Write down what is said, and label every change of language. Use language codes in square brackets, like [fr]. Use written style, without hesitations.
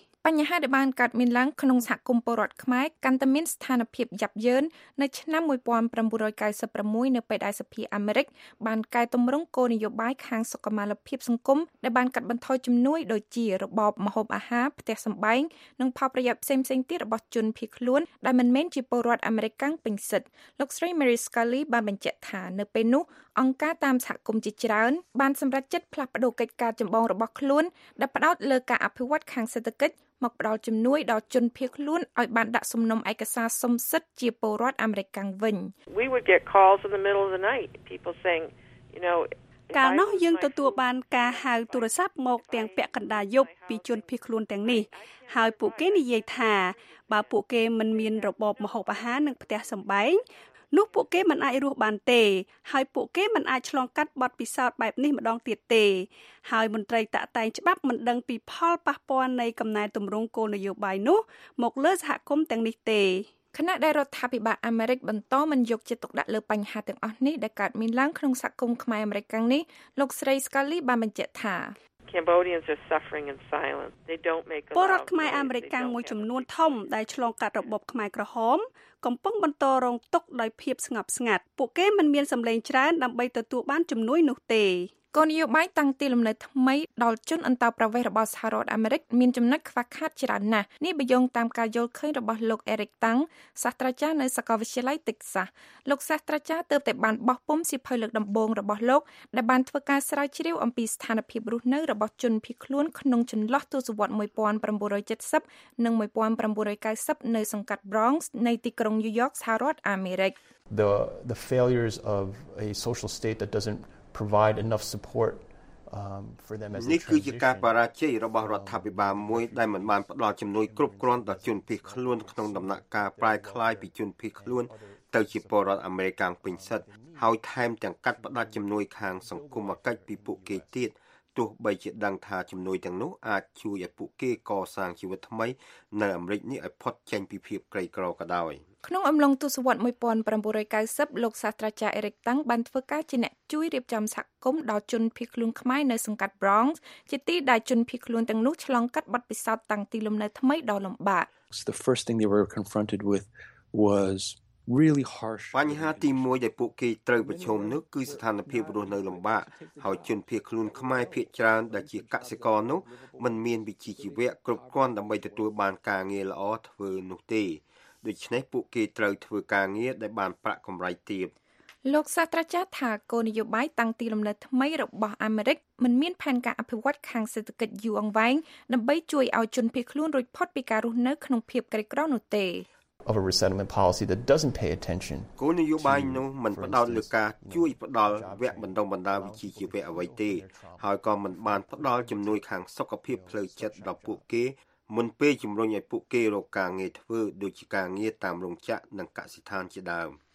[km] បញ្ហាដែលបានកើតមានឡើងក្នុងសហគមន៍ពលរដ្ឋខ្មែរកាន់តែមានស្ថានភាពយ៉ាប់យ៉ឺននៅឆ្នាំ1996នៅពេលដែលសភាអាមេរិកបានកែតម្រង់គោលនយោបាយខាងសុខាភិបាលសង្គមដែលបានកាត់បន្ថយជំនួយដូចជារបបម្ហូបអាហារផ្ទះសម្បែងនិងផលប្រយោជន៍ផ្សេងៗទៀតរបស់ជនភៀសខ្លួនដែលមិនមែនជាពលរដ្ឋអាមេរិកពេញសិទ្ធិលោកស្រី Mary Scully បានបញ្ជាក់ថានៅពេលនោះ អង្គការតាមសហគមន៍ជាច្រើនបានសម្រេចចិត្តផ្លាស់ប្តូរកិច្ចការចម្បងរបស់ខ្លួនដែលផ្ដោតលើការអភិវឌ្ឍខាងសេដ្ឋកិច្ចមកផ្ដល់ជំនួយដល់ជនភៀសខ្លួនឲ្យបានដាក់សំណុំឯកសារសមសិទ្ធិជាពលរដ្ឋអាមេរិកកាំងវិញ [en] We would get calls in the middle of the night people saying you know [km] កាលនោះយើងទទួលបានការហៅទូរស័ព្ទមកទាំងពាក់កណ្ដាលយប់ពីជនភៀសខ្លួនទាំងនេះហើយពួកគេនិយាយថាបើពួកគេមិនមានរបបម្ហូបអាហារនិងផ្ទះសម្បែងនោះពួកគេមិនអាចរស់បានទេហើយពួកគេមិនអាចឆ្លងកាត់បទពិសោធន៍បែបនេះម្ដងទៀតទេហើយមន្ត្រីតាក់តែងច្បាប់មិនដឹងពីផលប៉ះពាល់នៃកំណែទម្រង់គោលនយោបាយនោះមកលើសហគមន៍ទាំងនេះទេ គណៈដែលរដ្ឋាភិបាលអាមេរិកបន្តមិនយកចិត្តទុកដាក់លើបញ្ហាទាំងអស់នេះដែលកើតមានឡើងក្នុងសហគមន៍ខ្មែរអាមេរិកកាំងនេះលោកស្រីស្កាលីបានបញ្ជាក់ថា [en] Cambodians are suffering in silence. They don't make a [km] ពលរដ្ឋខ្មែរអាមេរិកកាំងមួយចំនួនធំដែលឆ្លងកាត់របបខ្មែរក្រហមកំពុងបន្តរងទុក្ខដោយភាពស្ងប់ស្ងាត់ពួកគេមិនមានសម្លេងច្រើនដើម្បីទទួលបានជំនួយនោះទេ គោលនយោបាយតាំងទីលំនៅថ្មីដល់ជនអន្តោប្រវេសន៍របស់សហរដ្ឋអាមេរិកមានចំណុចខ្វះខាតច្រើនណាស់នេះបយងតាមការយល់ឃើញរបស់លោកអេរិកតាំងសាស្ត្រាចារ្យនៅសាកលវិទ្យាល័យតិចសាសលោកសាស្ត្រាចារ្យទើបតែបានបោះពុម្ពសៀវភៅលើកដំបូងរបស់លោកដែលបានធ្វើការស្រាវជ្រាវអំពីស្ថានភាពរស់នៅរបស់ជនភៀសខ្លួនក្នុងចន្លោះទសវត្ស1970និង1990នៅសង្កាត់ Bronx នៃទីក្រុង New York សហរដ្ឋអាមេរិក [en] The failures of a social state that doesn'tprovide enough support for them as a transition. [km] នេះគឺជាការបរាជ័យរបស់រដ្ឋាភិបាលមួយដែលមិនបានផ្តល់ជំនួយគ្រប់គ្រាន់ដល់ជនភៀសខ្លួនក្នុងដំណាក់កាលប្រែក្លាយពីជនភៀសខ្លួនទៅជាពលរដ្ឋអាមេរិកពេញសិទ្ធិហើយថែមទាំងកាត់ផ្តាច់ជំនួយខាងសង្គមកិច្ចពីពួកគេទៀតទោះបីជាដឹងថាជំនួយទាំងនោះអាចជួយឲ្យពួកគេកសាងជីវិតថ្មីនៅអាមេរិកនេះឲ្យផុតចេញពីភាពក្រីក្រក៏ដោយ ក្នុងអំឡុងទសវត្ស1990លោកសាស្ត្រាចារ្យអេរិកតាំងបានធ្វើការជាអ្នកជួយរៀបចំសហគមន៍ដល់ជនភៀសខ្លួនខ្មែរនៅសង្កាត់ Bronx ជាទីដែលជនភៀសខ្លួនទាំងនោះឆ្លងកាត់បទពិសោធន៍តាំងទីលំនៅថ្មីដ៏លំបាក [en] The first thing they were confronted with was really harsh [km] បញ្ហាទីមួយដែលពួកគេត្រូវប្រឈមនោះគឺស្ថានភាពរស់នៅលំបាកហើយជនភៀសខ្លួនខ្មែរភាគច្រើនដែលជាកសិករនោះមិនមានវិជ្ជាជីវៈគ្រប់គ្រាន់ដើម្បីទទួលបានការងារល្អធ្វើនោះទេដូច្នេះពួកគេត្រូវធ្វើការងារដែលបានប្រាក់កម្រៃទាប លោកសាស្ត្រាចារ្យថាគោលនយោបាយតាំងទីលំនៅថ្មីរបស់អាមេរិកមិនមានផែនការអភិវឌ្ឍខាងសេដ្ឋកិច្ចយូរអង្វែងដើម្បីជួយឲ្យជនភៀសខ្លួនរួចផុតពីការរស់នៅក្នុងភាពក្រីក្រនោះទេ [en] of a resettlement policy that doesn't pay attention [km] គោលនយោបាយនោះមិនផ្ដោតលើការជួយផ្ដល់វគ្គបណ្ដុះបណ្ដាលវិជ្ជាជីវៈអ្វីទេហើយក៏មិនបានផ្ដល់ជំនួយខាងសុខភាពផ្លូវចិត្តដល់ពួកគេមុនពេលជំរុញឲ្យពួកគេរកការងារធ្វើដូចជាការងារតាមរោងចក្រនិងកសិដ្ឋានជាដើម